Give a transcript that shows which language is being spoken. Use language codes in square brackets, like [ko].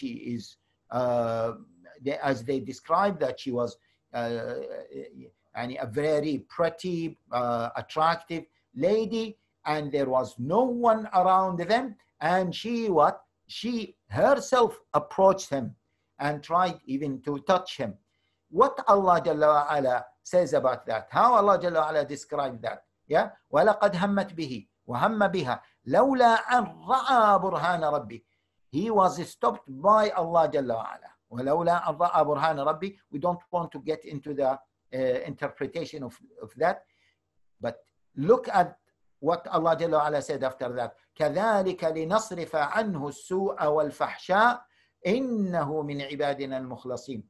[en] She is, as they describe, that she was a very pretty, attractive lady, and there was no one around them. And she herself approached him and tried even to touch him. What Allah Jalla wa'ala says about that? How Allah Jalla wa'ala described that? [ar] Yeah, وَلَقَدْ هَمَّتْ بِهِ وَهَمَّ بِهَا لَوْلَا أَنْ رَعَى بُرْهَانَ رَبِّهِ. [en] He was stopped by Allah Jalla wa'ala. [ar] وَلَوْلَا أَنْ رَعَى بُرْهَانَ رَبِّهِ. [en] We don't want to get into the interpretation of that. But look at what Allah Jalla wa'ala said after that. [ar] كَذَلِكَ لِنَصْرِفَ عَنْهُ السُّوءَ وَالْفَحْشَاءَ إِنَّهُ مِنْ عِبَادِنَا الْمُخْلَصِينَ.